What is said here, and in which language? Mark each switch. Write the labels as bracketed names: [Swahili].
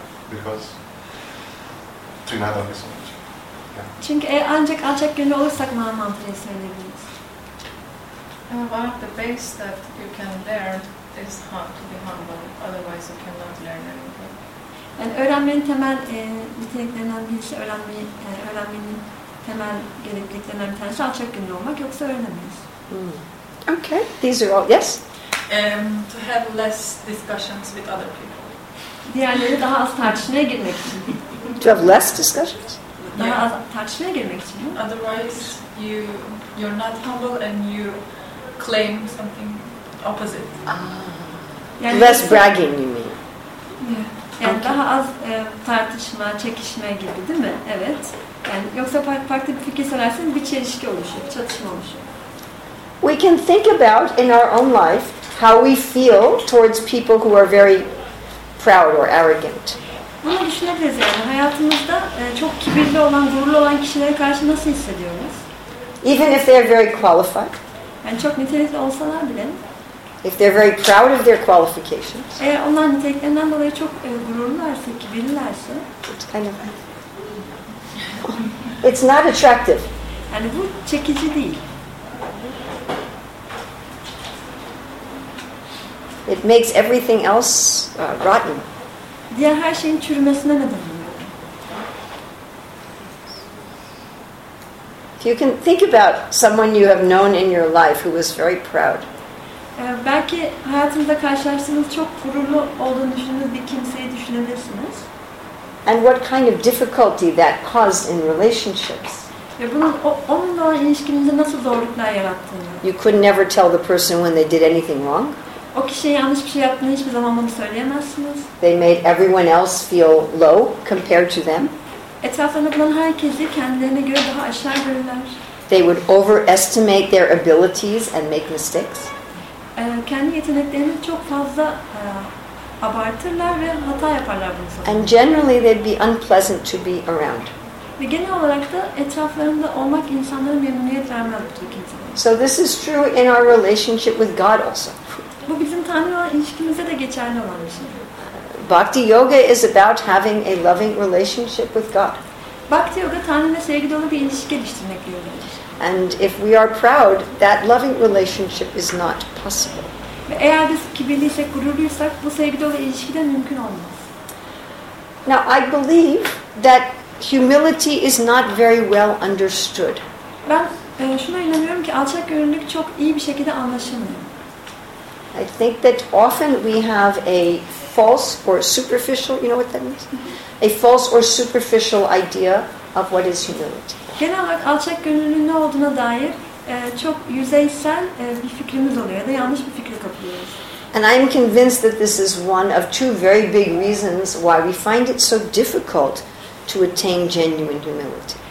[English] Because Trinada is so much. [Turkish] Çünkü ancak alçak gönüllü olursak mal mantrayı söyleyebiliriz. [English] About the base that you can learn is to be humble, otherwise you cannot learn anything. [Turkish] Yani öğrenmenin temel niteliklerinden birisi, öğrenmenin temel gerekliliklerinden bir tanesi alçak gönüllü olmak, yoksa öğrenemeyiz. [English] Hmm. Okay, these are all, yes? To have less discussions with other people. [Turkish] Diğerleri daha az tartışmaya girmek için. [English] To have less discussions? [Turkish] Daha az tartışmaya girmek için. [English] Otherwise, you're not humble and you claim something opposite. [Turkish] Yani [English] less bragging, you mean? Yeah. [Turkish] Yani [English] okay. [Turkish] Daha az tartışma, çekişme gibi, değil mi? Evet. Yani yoksa farklı bir fikir söylerseniz bir çelişki oluşuyor, çatışma oluşuyor. [English] We can think about in our own life how we feel towards people who are very proud or arrogant. [Turkish] Bunu düşünebiliriz yani. Hayatımızda çok kibirli olan, gururlu olan kişilere karşı nasıl hissediyoruz? [English] Even if they are very qualified. [Turkish] Yani çok nitelikli olsalar bile. [English] If they're very proud of their qualifications. [Turkish] Eğer onlar niteliklerinden dolayı çok gururlularsa, kibirlilerse. [English] It's kind of... It's not attractive. [Turkish] Yani bu çekici değil. [English] It makes everything else rotten. [Turkish] Diğer her şeyin çürümesine neden oluyor. [English] If you can think about someone you have known in your life who was very proud. [Turkish] Belki hayatınızda karşılaştığınız çok gururlu olduğunu düşündüğünüz bir kimseyi düşünebilirsiniz. [English] And what kind of difficulty that caused in relationships. [Turkish] Bunun onunla olan ilişkinizde nasıl zorluklar yarattığını. [English] You could never tell the person when they did anything wrong. [Turkish] O kişiye yanlış bir şey yaptığını hiçbir zaman bunu söyleyemezsiniz. [English] They made everyone else feel low compared to them. [Turkish] Etrafında bulunan herkesi kendilerine göre daha aşağı görürler. [English] They would overestimate their abilities and make mistakes. [Turkish] Kendi yeteneklerini çok fazla abartırlar ve hata yaparlar bunu. [English] And generally they'd be unpleasant to be around. [Turkish] Ve genel olarak da etraflarında olmak insanlara memnuniyet vermez bu kimse. [English] So this is true in our relationship with God also. [Turkish] Bu bizim Tanrı'yla ilişkimize de geçerli olan bir şey. [English] Bhakti yoga is about having a loving relationship with God. [Turkish] Bhakti yoga Tanrı'yla sevgi dolu bir ilişki geliştirmek yoludur. [English] And if we are proud, that loving relationship is not possible. [Turkish] Ve eğer biz kibirliysek, gururluysak bu sevgi dolu ilişki de mümkün olmaz. [English] Now I believe that humility is not very well understood. [Turkish] Ben şuna inanıyorum ki alçak gönüllülük çok iyi bir şekilde anlaşılmıyor. [English] I think that often we have a false or superficial, you know what that means? A false or superficial idea of what is humility. [Turkish] Genel olarak alçak gönüllülüğün ne olduğuna dair çok yüzeysel bir fikrimiz oluyor ya da yanlış bir fikre kapılıyoruz. [English] And I am convinced that this is one of two very big reasons why we find it so difficult to attain genuine humility.